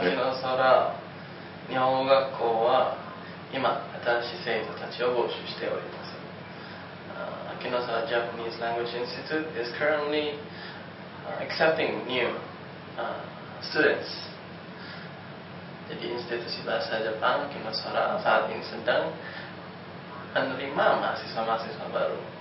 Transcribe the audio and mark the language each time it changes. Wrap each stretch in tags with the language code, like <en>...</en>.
<ja>秋の空、日本語学校は今新しい生徒たちを募集しております。</ja> <en>秋の空 Japanese Language Institute is currently accepting new students.</en> <id>Jadi institusi bahasa Jepang 秋の空 saat ini sedang menerima mahasiswa-mahasiswa baru.</id>